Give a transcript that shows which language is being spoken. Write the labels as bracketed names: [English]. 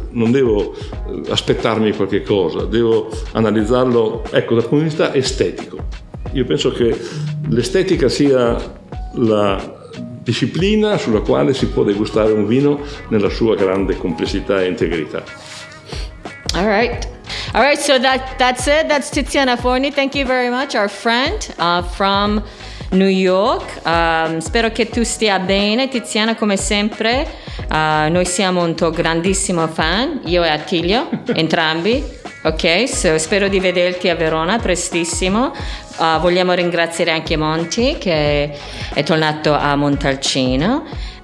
[Italian] Non devo aspettarmi qualche cosa, devo analizzarlo, ecco, dal punto di vista estetico. Io penso che l'estetica sia la disciplina sulla quale si può degustare un vino nella sua grande complessità e integrità. [English] All right, so that's it. That's Tiziana Forni. Thank you very much, our friend from New York. [Italian] Spero che tu stia bene, Tiziana, come sempre. Noi siamo un tuo grandissimo fan, io e Attilio, entrambi. Ok, so spero di vederti a Verona prestissimo. Vogliamo ringraziare anche Monty, che è tornato a Montalcino.